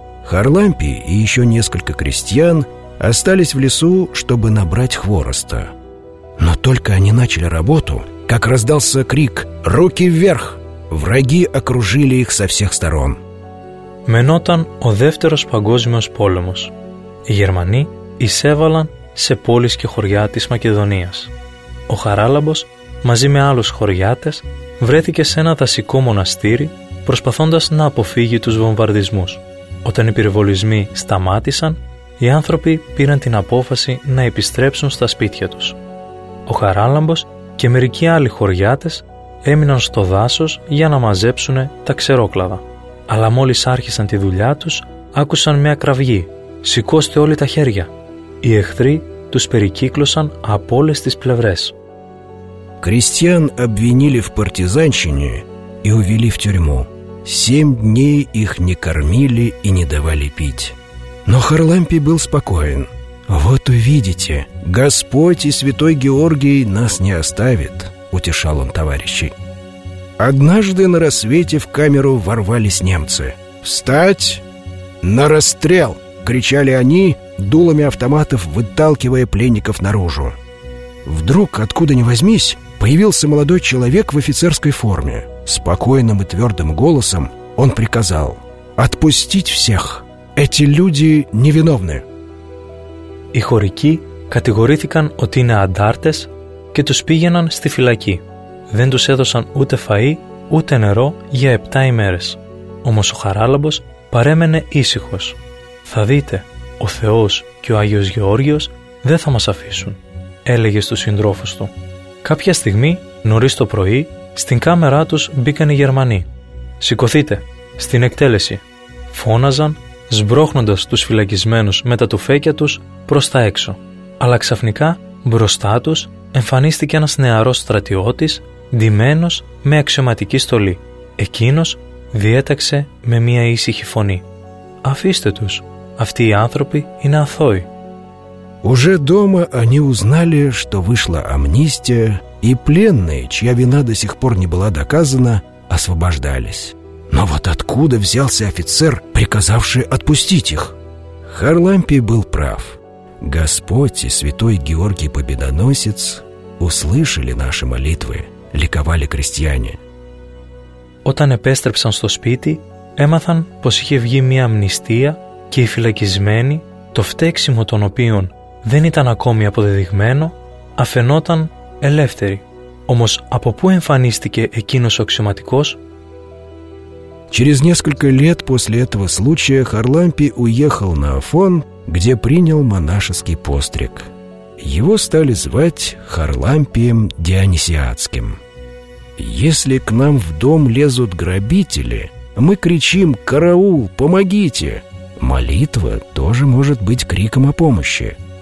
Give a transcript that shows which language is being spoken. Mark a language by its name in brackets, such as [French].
[Russian] Харлампий и еще несколько крестьян остались в лесу, чтобы набрать хвороста. Но только они начали работу, как раздался крик «Руки вверх!». Враги окружили их со всех сторон. [Greek] Μενόταν ο δεύτερος παγκόσμιος πόλεμος. Οι Γερμανοί εισέβαλαν σε πόλεις και χωριά της Μακεδονίας. Ο Χαράλαμπος μαζί με άλλους χωριάτες βρέθηκε σε ένα δασικό μοναστήρι προσπαθώντας να αποφύγει τους βομβαρδισμούς. Όταν οι πυροβολισμοί σταμάτησαν, οι άνθρωποι πήραν την απόφαση να επιστρέψουν στα σπίτια τους. Ο Χαράλαμπος και μερικοί άλλοι χωριάτες έμειναν στο δάσος για να μαζέψουν τα ξερόκλαδα. Αλλά μόλις άρχισαν τη δουλειά τους, άκουσαν μια κραυγή. «Σηκώστε όλοι τα χέρια!» Οι εχθροί τους περικύκλωσαν από όλες τις πλευρές. [Russian] Крестьян обвинили в партизанщине и увели в тюрьму. 7 дней их не кормили и не давали пить. Но Харлампий был спокоен. «Вот увидите, Господь и святой Георгий нас не оставит», — утешал он товарищей. Однажды на рассвете в камеру ворвались немцы. «Встать! На расстрел!» — кричали они, дулами автоматов выталкивая пленников наружу. Вдруг, откуда ни возьмись, появился молодой человек в офицерской форме. Спокойным и твердым голосом он приказал: «Отпустить всех! Эти люди невиновны!» [Greek] И хорики категорήθηκαν ότι είναι αντάρτες και τους πήγαιναν στη φυλακή. Δεν τους έδωσαν ούτε φαΐ, ούτε νερό για 7 ημέρες. Όμως ο Χαράλαμπος παρέμενε ήσυχος. «Θα δείτε, ο Θεός και ο Άγιος Γεώργιος δεν θα μας αφήσουν», έλεγε στους συντρόφους του. Κάποια στιγμή, νωρίς το πρωί, στην κάμερά τους μπήκαν οι Γερμανοί. «Σηκωθείτε, στην εκτέλεση», φώναζαν, σμπρώχνοντας τους φυλακισμένους με τα τουφέκια τους προς τα έξω. Αλλά ξαφνικά, μπροστά τους, εμφανίστηκε ένας νεαρός στρατιώτης, ντυμένος με αξιωματική στολή. Εκείνος διέταξε με μια ήσυχη φωνή: «Αφήστε τους, αυτοί οι άνθρωποι είναι αθώοι». [Russian] Уже дома они узнали, что вышла амнистия, и пленные, чья вина до сих пор не была доказана, освобождались. Но вот откуда взялся офицер, приказавший отпустить их? Харлампий был прав. Господь и святой Георгий Победоносец услышали наши молитвы, ликовали крестьяне. [Greek] Όταν επέστρεψαν στο σπίτι, έμαθαν πως είχε βγει μια αμνηστία και οι φυλακισμένοι, το φταίξιμο των οποίων δεν ήταν ακόμη αποδεδειγμένο, αφαινόταν ελεύθεροι. Όμως από πού εμφανίστηκε εκείνος ο αξιωματικός? [Russian] Через несколько лет после этого случая Харлампий уехал на Афон, где принял монашеский постриг. Его стали звать Харлампием Дионисиатским. «Если к нам в дом лезут грабители, мы кричим: „Караул, помогите!“» Молитва тоже может быть криком о помощи.